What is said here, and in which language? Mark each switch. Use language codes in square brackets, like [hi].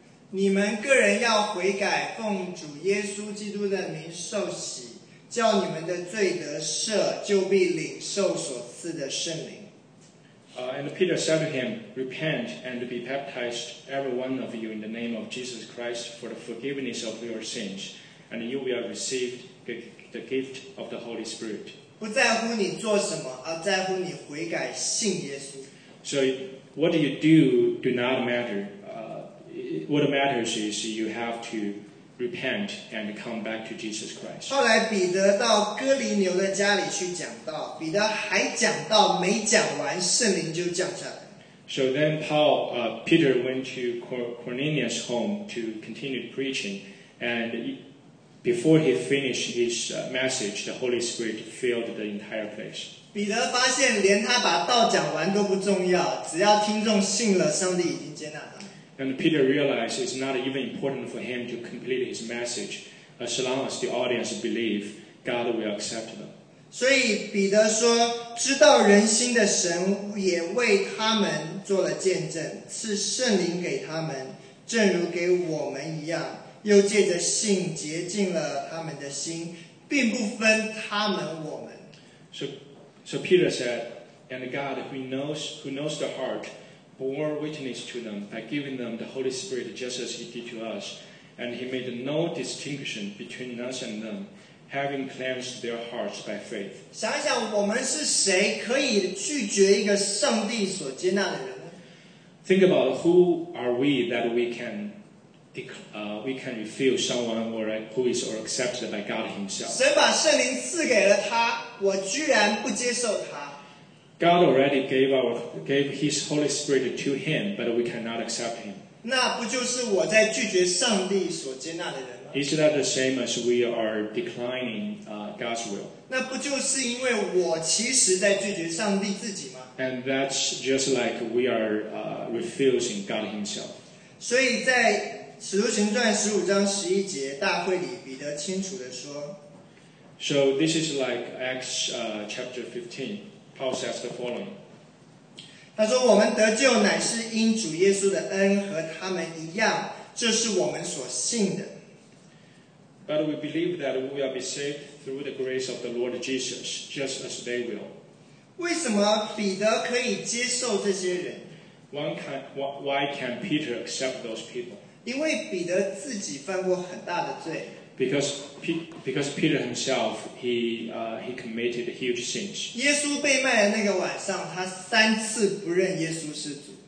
[zh] 你们个人要悔改，奉主耶稣基督的名受洗，叫你们的罪得赦，就必领受所赐的圣灵。 [en] And Peter said to him, Repent and be baptized, every one of you, in the name of Jesus Christ for the forgiveness of your sins, and you will receive the gift of the Holy Spirit. [zh] 不在乎你做什么，而在乎你悔改信耶稣。 [en] So what you do do not matter. What matters is you have to repent and come back to Jesus Christ. [zh] 后来彼得到哥尼流的家里去讲道，彼得还讲道，没讲完，圣灵就降下来。 [en] So then Paul, Peter went to Cornelius' home to continue preaching, and before he finished his message, the Holy Spirit filled the entire place. [zh] 彼得发现连他把道讲完都不重要，只要听众信了，上帝已经接纳他。 [en] And Peter realized it's not even important for him to complete his message. As long as the audience believe, God will accept them. [zh] 所以彼得说，知道人心的神也为他们做了见证，赐圣灵给他们，正如给我们一样，又借着信洁净了他们的心，并不分他们我们。 [en] So Peter said, and God who knows the heart,bore witness to them by giving them the Holy Spirit just as he did to us, and he made no distinction between us and them, having cleansed their hearts by faith. [zh] 想一想我们是谁可以拒绝一个上帝所接纳的人呢？ [en] Think about who are we that we can refuse someone or who is or accepted by God himself. [zh] 神把圣灵赐给了他，我居然不接受他。 [en] God already gave His Holy Spirit to him, but we cannot accept him. [zh] 那不就是我在拒绝上帝所接纳的人吗？ [en] Is that the same as we are declining God's will? [zh] 那不就是因为我其实在拒绝上帝自己吗？ [en] And that's just like we are refusing God Himself. [zh] 所以在《使徒行传》15章11节大会里，彼得清楚地说。 [en] So this is like Acts chapter 15. Paul says the following. [zh] 他说我们得救乃是因主耶稣的恩，和他们一样，这是我们所信的。 [en] But we believe that we will be saved through the grace of the Lord Jesus, just as they will. [zh] 为什么彼得可以接受这些人？ [en] Why can Peter accept those people? [zh] 因为彼得自己犯过很大的罪。 [en] Because Peter himself, he committed huge sins. [zh] 耶稣被卖的那个晚上，他三次不认耶稣是主。